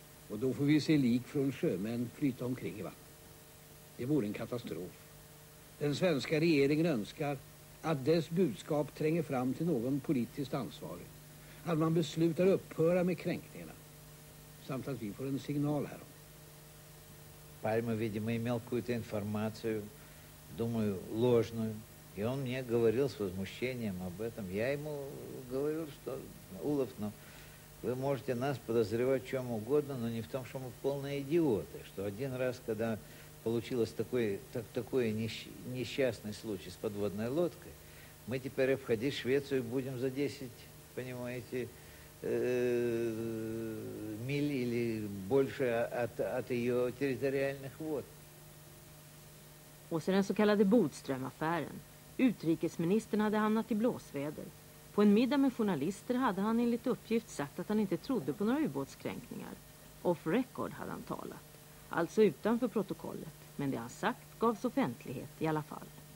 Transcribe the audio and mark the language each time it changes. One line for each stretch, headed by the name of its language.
Swedish: Och då får vi se lik från sjömän flyta omkring i vattnet. Det vore en katastrof. Den svenska regeringen önskar att dess budskap tränger fram till någon politiskt ansvarig. Att man beslutar upphöra med kränkningarna. Samt att vi får en signal härom.
Russian: Palme, видимо, имел какую-то информацию, думаю, ложную. И он мне говорил с возмущением об этом. Я ему говорил, что, Улов, ну, вы можете нас подозревать в чем угодно, но не в том, что мы полные идиоты. Что один раз, когда получилось такой несчастный случай с подводной лодкой, мы теперь обходить Швецию будем за 10, понимаете, миль или больше от ее территориальных вод.
Swedish: Och sen så kallade Bodström-affären. Utrikesministern hade hamnat i blåsväder. På en middag med journalister hade han enligt uppgift sagt att han inte trodde på några ubåtskränkningar.
English: Off record
Swedish: hade han talat, alltså utanför protokollet. Men det han sagt gavs offentlighet i alla fall.